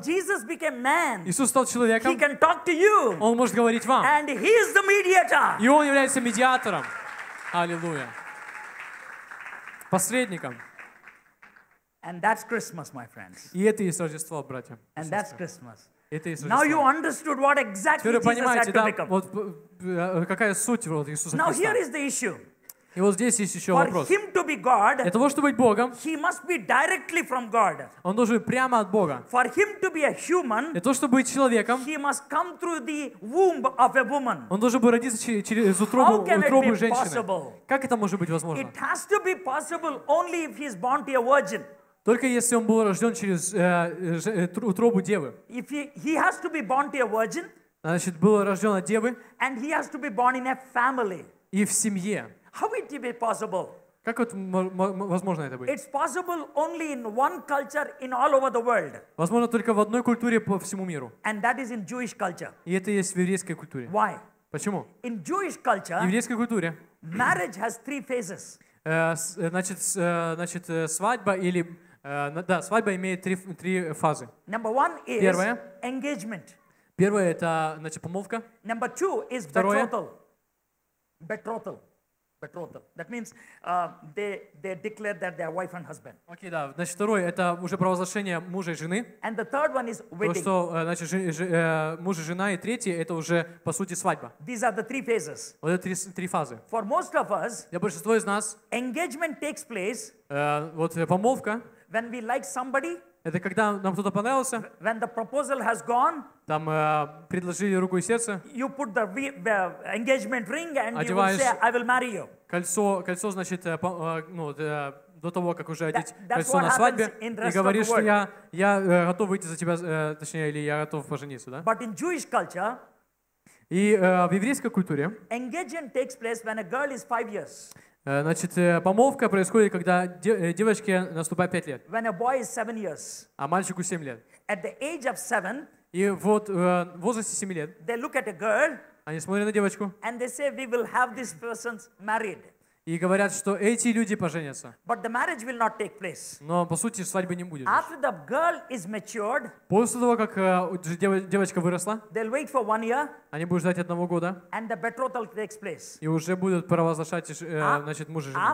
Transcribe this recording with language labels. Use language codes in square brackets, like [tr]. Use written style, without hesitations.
[en] Jesus became man. [ru] Иисус стал человеком. [en] He can talk to you. [ru] Он может говорить вам. [en] And he is the mediator. [ru] И он является медиатором. Аллилуйя. Посредником. [en] And that's Christmas, my friends. [ru] И это есть Рождество, братья. [en] And that's Christmas. [ru] Это есть Рождество. [en] Now you understood what exactly Jesus had to become. [ru] Да, вот какая суть вот Иисуса [en] Now [ru] Христа. [en] Here is the issue. [ru] И вот здесь есть еще [en] For [ru] вопрос. [en] Him to be God, [ru] для того, чтобы быть Богом, [en] he must be directly from God. [ru] Он должен быть прямо от Бога. [en] For him to be a human, [ru] для того, чтобы быть человеком, [en] he must come through the womb of a woman. [ru] Он должен был родиться через утробу, [en] How can [ru] утробу [en] it be [ru] женщины. [en] Possible? [ru] Как это может быть возможно? [en] It has to be possible only if he is born to a virgin. [ru] Только если он был рожден через утробу девы. [en] If he has to be born to a virgin, [ru] значит, был рожден от девы. [en] And he has to be born in a family. [ru] И в семье. [en] How would it be possible? [ru] Как вот возможно это быть? [en] It's possible only in one culture in all over the world. [ru] Возможно только в одной культуре по всему миру. [en] And that is in Jewish culture. [ru] И это есть в еврейской культуре. [en] Why? [ru] Почему? [en] In Jewish culture, [ru] в еврейской культуре, [en] marriage has three phases. [ru] Значит, свадьба или да, свадьба имеет три фазы. [en] Number one is [ru] первое. [en] Engagement. [ru] Первое это значит помолвка. [en] Number two is [ru] второе. [en] Betrothal. Betrothal. Betrothal. That means they declare that they are wife and husband. [ru] Окей, да. Значит, второе это уже провозглашение мужа и жены. [en] And the third one is wedding. [ru] То, что значит муж и жена, и третье это уже по сути свадьба. [en] These are the three phases. [ru] Вот это три фазы. [en] For most of us, [ru] для большинства из нас, [en] engagement takes place. [ru] Вот помолвка. [en] When we like somebody, [ru] это когда нам кто-то понравился, [en] when the proposal has gone, [ru] там предложили руку и сердце, [en] you put the engagement ring and you will say, I will marry you. [ru] Кольцо значит, ну, до того, как уже одеть кольцо на свадьбе, и говоришь, что я готов выйти за тебя, точнее, или я готов пожениться, да? [en] But in Jewish culture, [ru] и в еврейской культуре, [en] engagement takes place when a girl is 5 years. [ru] Значит, помолвка происходит, когда девочке наступает 5 лет. [en] When a boy is 7 years, [ru] а мальчику 7 лет. [en] At the age of 7, [ru] и вот в возрасте 7 лет [en] they look at a girl, [ru] они смотрят на девочку [en] and they say, we will have this person's married. [ru] И говорят, что эти люди поженятся. [en] But the marriage will not take place. [ru] Но, по сути, свадьбы не будет. [en] After the girl is matured, [ru] после того, как девочка выросла, [en] they'll wait for 1 year, [ru] они будут ждать 1 года, [en] and the betrothal takes place. [ru] И уже будут провозглашать значит, муж и жена.